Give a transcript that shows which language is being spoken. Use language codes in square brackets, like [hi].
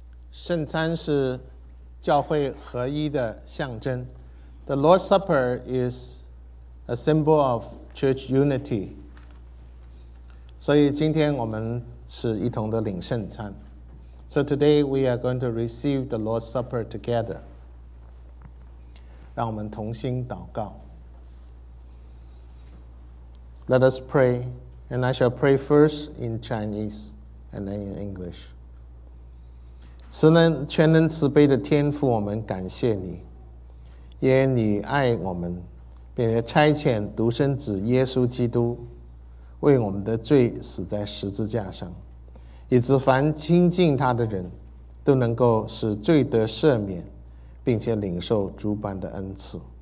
[zh] 圣餐是教会合一的象征。 [en] The Lord's Supper is a symbol of church unity. [zh] 所以今天我们是一同的领圣餐。 [en] So today we are going to receive the Lord's Supper together. [zh] 让我们同心祷告。 [en] Let us pray, and I shall pray first in Chinese and then in English. [zh] 全能慈悲的天父，我们感谢你，因为你爱我们，并且差遣独生子耶稣基督为我们的罪死在十字架上，以致凡亲近他的人都能够使罪得赦免，并且领受主般的恩赐。